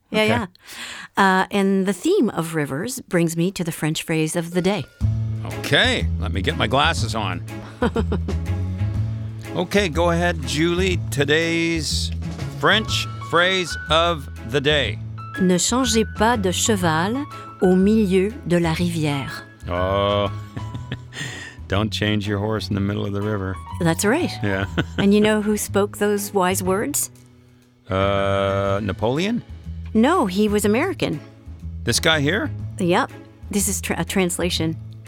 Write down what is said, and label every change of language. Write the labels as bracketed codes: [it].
[en] Yeah. And the theme of rivers brings me to the French phrase of the day. Okay, let me get my glasses on. Okay, go ahead, Julie. Today's French phrase of the day. [fr] Ne changez pas de cheval au milieu de la rivière. [en] Oh, don't change your horse in the middle of the river. That's right. Yeah. And you know who spoke those wise words? Napoleon? No, he was American. This guy here? Yep. This is a translation.